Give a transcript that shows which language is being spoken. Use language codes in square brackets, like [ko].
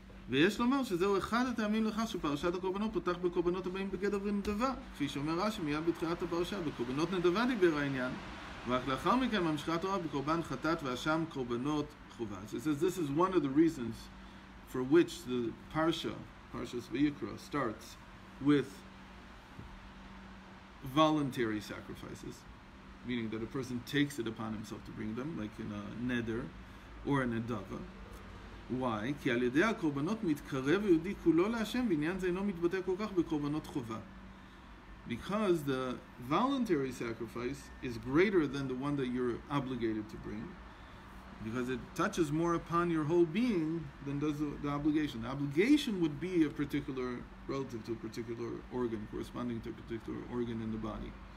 [he] ויש לומר שזהו אחד הטעמים לכך שפרשת הקורבנות פותח בקורבנות הבאים בגדר נדבה, כפי שאומר רש"י מיד בתחילת הפרשה, בקורבנות נדבה דיבר העניין, ואך לאחר מכן ממשיכה התורה בקורבן חטאת ואשם קורבנות חובה. [en] So it says this is one of the reasons for which the Parshas Vayikra starts with voluntary sacrifices, meaning that a person takes it upon himself to bring them, like in a neder or a nedava. Why? [he] כי על ידי הקורבנות מתקרב יהודי כולו להשם, בעניין זה אינו מתבטא כל כך בקורבנות חובה. [en] Because the voluntary sacrifice is greater than the one that you're obligated to bring, because it touches more upon your whole being than does the obligation. The obligation would be a particular, relative to a particular organ, corresponding to a particular organ in the body.